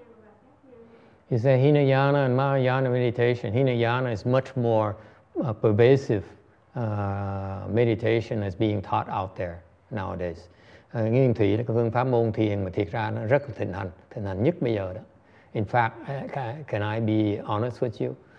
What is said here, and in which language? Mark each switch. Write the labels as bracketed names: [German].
[English] Mm-hmm. You say Hinayana and Mahayana meditation. Hinayana is much more pervasive meditation that's being taught out there nowadays. [Vietnamese] Nguyên thủy là cái phương pháp môn thiền mà thiệt ra nó rất là thịnh hành nhất bây giờ đó. [English] In fact, can I be honest with you?